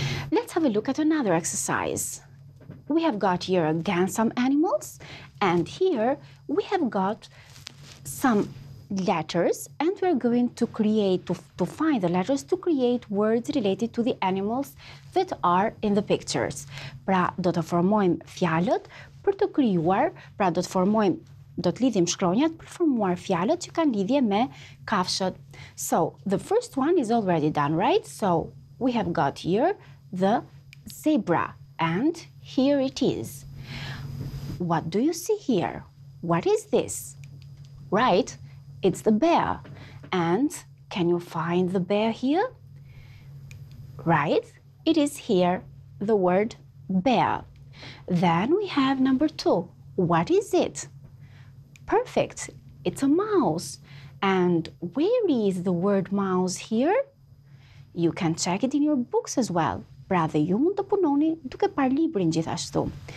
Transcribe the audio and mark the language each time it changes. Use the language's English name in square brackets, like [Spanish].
[English] Let's have a look at another exercise. We have got here again some animals, and here we have got some letters, and we're going to create, to find the letters to create words related to the animals that are in the pictures. [Albanian] Pra, do të formojmë fjalët për të krijuar, pra do të formojmë, do të lidhim shkronjat për formuar fjalët që kanë lidhje me kafshët. [English] So, the first one is already done, right? So, we have got here the zebra, and here it is. What do you see here? What is this? Right, it's the bear. And can you find the bear here? Right, it is here, the word bear. Then we have number two. What is it? Perfect, it's a mouse. And where is the word mouse here? You can check it in your books as well. [Albanian] Pra dhe ju mund të punoni duke par librin gjithashtu.